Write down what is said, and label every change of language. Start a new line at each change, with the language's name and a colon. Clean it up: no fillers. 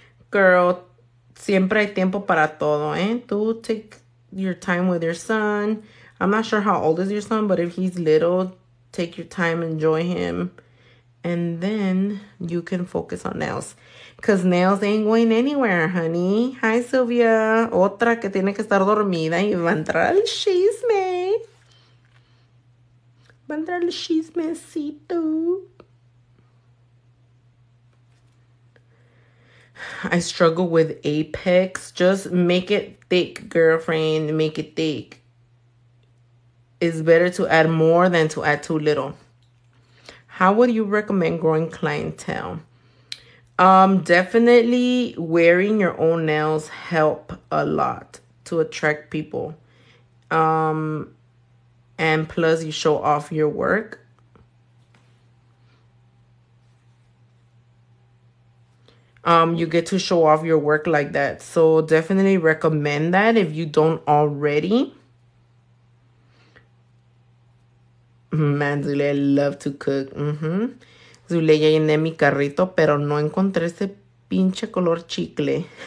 English: Girl,
Spanish: siempre hay tiempo para todo, eh? Tú
English: take your time with your son. I'm not sure how old is your son, but if he's little, take your time, enjoy him, and then you can focus on nails. Because nails ain't going anywhere, honey. Hi, Sylvia.
Spanish: Otra que tiene que estar dormida y va a entrar el chisme. Va a entrar el chismecito.
English: I struggle with apex. Just make it thick, girlfriend. Make it thick. It's better to add more than to add too little. How would you recommend growing clientele? Definitely wearing your own nails help a lot to attract people. And plus you show off your work. You get to show off your work like that. So definitely recommend that if you don't already. Man, Zule, I love to cook.
Spanish: Zule, ya llené mi carrito, pero no encontré ese pinche color chicle.